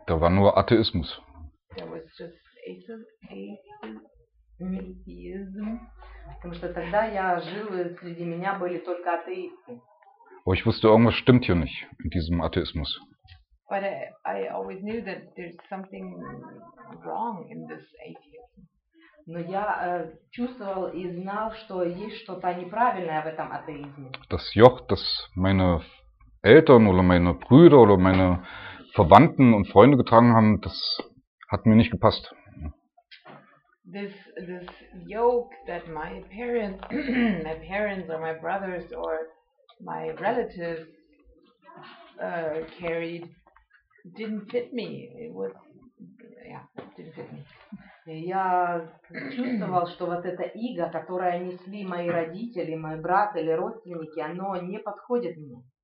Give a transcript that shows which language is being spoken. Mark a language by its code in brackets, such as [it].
[de] Da war nur Atheismus. [en] There was just atheism. [ru] Потому что тогда я жил, и среди меня были только атеисты. [de] Oh, ich wusste, irgendwas stimmt hier nicht in diesem Atheismus. [en] But I always knew that there's something wrong in this atheism. [ru] Но я чувствовал и знал, что есть что-то неправильное в этом атеизме. [de] Das Joch, das meine Eltern oder meine Brüder oder meine Verwandten und Freunde getragen haben, das hat mir nicht gepasst. [en] This yoke that my parents or my brothers or my relatives carried didn't fit me. It didn't fit me. [ru] Я чувствовал, что вот это иго, которое несли мои родители, мой брат или родственники, оно не подходит мне.